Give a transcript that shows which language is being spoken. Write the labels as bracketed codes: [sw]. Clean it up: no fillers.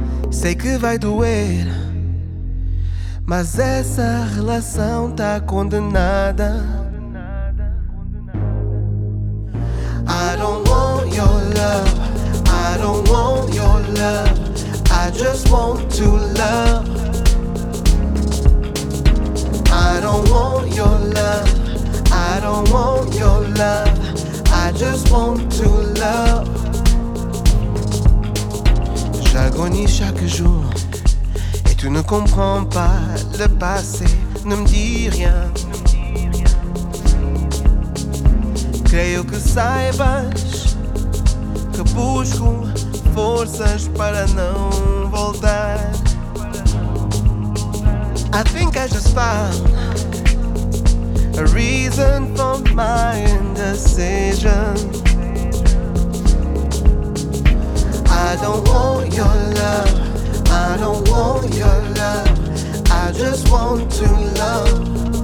[pt] Sei que vai doer, mas essa relação tá condenada. [en] I don't want your love, I don't want your love, I just want to love. I don't want your love, I don't want your love, I just want to love. [fr] J'agonis chaque jour et tu ne comprends pas le passé, ne me dis rien. [pt] Creio que saibas que busco forças para não voltar. [en] I think I just found a reason for my indecision. I don't want your love, I don't want your love, I just want to love.